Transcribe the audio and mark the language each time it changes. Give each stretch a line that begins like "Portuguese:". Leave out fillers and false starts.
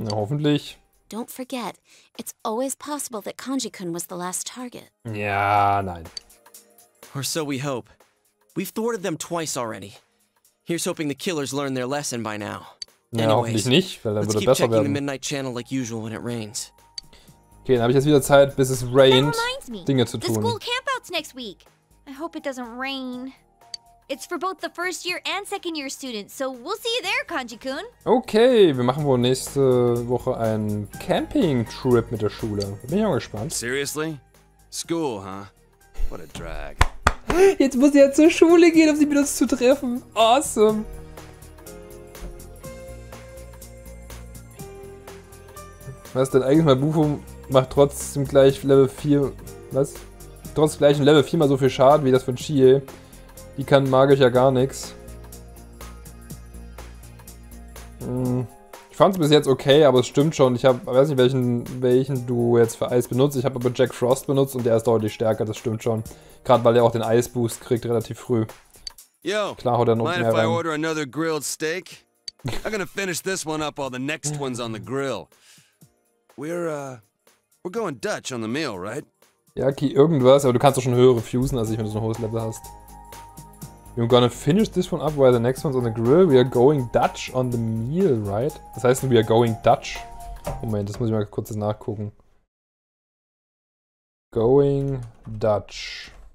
German: Na, hoffentlich.
English: Don't forget, it's always possible that Kanji-kun was the last target.
German: Ja, nein.
English: Or so we hope. We've thwarted them twice already. Here's hoping the killers learn their lesson by now.
German: Ja, hoffentlich nicht, weil dann würde es besser werden.
English: The midnight channel like usual when it rains.
German: Okay, dann habe ich jetzt wieder Zeit, bis es rained, Dinge zu tun.
English: The school campout's next week. I hope it doesn't rain. It's for both the first year and second year students, so we'll see you there, Kanji-kun.
German: Okay, wir machen wohl nächste Woche einen Camping-Trip mit der Schule. Bin ich auch gespannt.
English: Seriously? School, huh? What a drag.
German: Jetzt muss ich ja zur Schule gehen, um sie mit uns zu treffen.
English: Awesome.
German: Was denn eigentlich? Mein Bufo macht trotzdem gleich Level 4... Was? Trotz gleichem Level 4 mal so viel Schaden wie das von Chie. Die kann magisch ja gar nichts. Ich fand es bis jetzt okay, aber es stimmt schon. Ich weiß nicht, welchen du jetzt für Eis benutzt. Ich habe aber Jack Frost benutzt und der ist deutlich stärker, das stimmt schon. Gerade weil er auch den Eisboost kriegt relativ früh. Yo, klar, haut er noch mehr rein.
English: I order another grilled steak? I'm gonna finish this one up while the next one's on the grill. We're going Dutch on the meal, right?
German: Ja, okay, irgendwas, aber du kannst doch schon höhere fusen, als ich, wenn du so ein hohes Level hast.
English: We're gonna finish this one up while the next one's on the grill. We are going Dutch on the meal, right?
German: Das heißt,
English: we are going Dutch.
German: Moment, das muss ich mal kurz nachgucken.
English: Going Dutch.